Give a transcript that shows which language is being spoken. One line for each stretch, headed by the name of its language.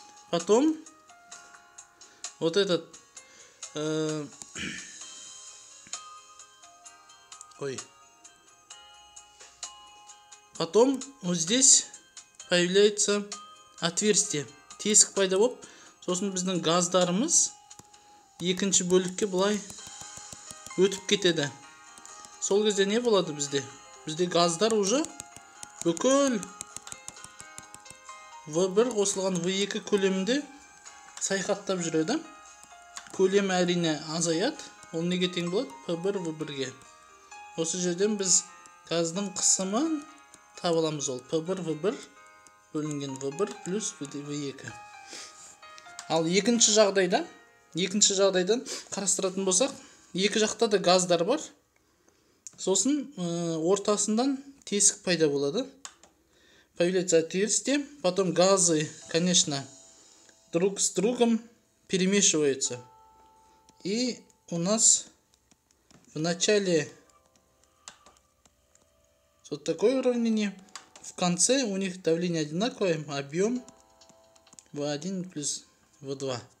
Russian: Потом вот этот потом вот здесь появляется отверстие.
Kazakh: Тесік пайда болып, сосын біздің газдарымыз екінші бөлікке былай өтіп кетеді. Сол кезде не болады бізде? Бізде газдар уже бүкіл V1 қосылған V2 көлемінде саяхаттап жүреді. Көлем әрине азаяды. Ол неге тең болады? P1 V1-ге. Осы жерден біз газдың қысымын табыламыз ол. P1 V1 бөлінген V1 плюс V2. Ал екінші жағдайдан қарастыратын болсақ, екі жақта да газдар бар. Сосын ортасындан тесік пайда болады.
Russian: Появляется отверстие, потом газы, конечно, друг с другом перемешиваются. И у нас в начале вот такое уравнение, в конце у них давление одинаковое, объем V1 плюс V2.